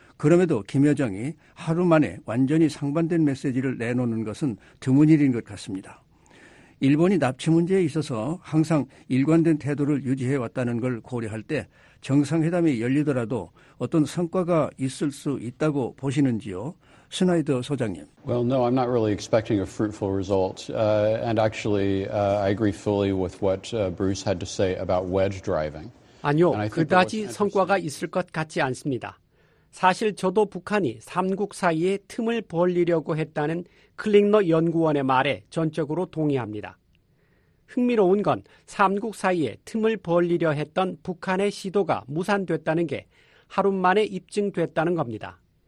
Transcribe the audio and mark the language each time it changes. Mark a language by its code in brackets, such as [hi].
[ko] 그럼에도 김여정이 하루 만에 완전히 상반된 메시지를 내놓는 것은 드문 일인 것 같습니다. 일본이 납치 문제에 있어서 항상 일관된 태도를 유지해왔다는 걸 고려할 때 정상회담이 열리더라도 어떤 성과가 있을 수 있다고 보시는지요? 스나이더 소장님. [en] Well, no, I'm not really expecting a fruitful result. And actually, I agree fully with what Bruce had to say about wedge driving. [ko] 아니요, 그다지 성과가 있을 것 같지 않습니다. 사실 저도 북한이 3국 사이에 틈을 벌리려고 했다는 클링너 연구원의 말에 전적으로 동의합니다. 흥미로운 건 3국 사이에 틈을 벌리려 했던 북한의 시도가 무산됐다는 게 하루 만에 입증됐다는 겁니다.